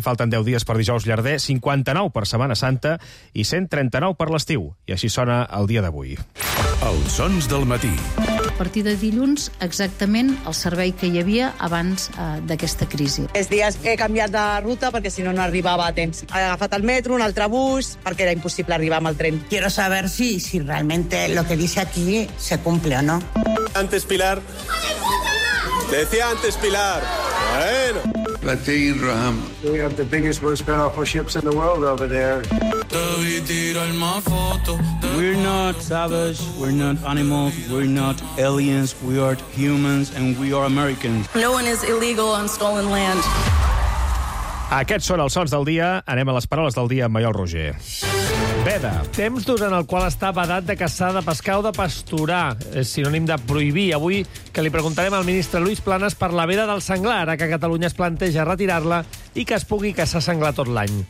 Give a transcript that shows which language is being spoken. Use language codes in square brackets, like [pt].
[ca] Falten 10 dies per dijous llarder, 59 per Setmana Santa i 139 per l'estiu. I així sona el dia d'avui. Els sons del matí. A partir de dilluns, exactament el servei que hi havia abans d'aquesta crisi. Els dies he canviat de ruta perquè si no, no arribava a temps. He agafat el metro, un altre bus, perquè era impossible arribar amb el tren. [es] Quiero saber si realmente lo que dice aquí se cumple o no. Antes, Pilar. ¡Ale, puta! Decía antes, Pilar. Bueno. Latin Raham. [en] We have the biggest most powerful ships in the world over there. We're not savage, we're not animals, we're not aliens, we are humans and we are Americans. No one is illegal on stolen land. [ca] Aquests són els sons del dia. Anem a les paraules del dia amb Maiol Roger. Veda. Temps durant el qual està vedat de caçar, de pescar o de pasturar. És sinònim de prohibir. Avui que li preguntarem al ministre Lluís Planas per la veda del senglar, ara que Catalunya es planteja retirar-la i que es pugui caçar senglar tot l'any.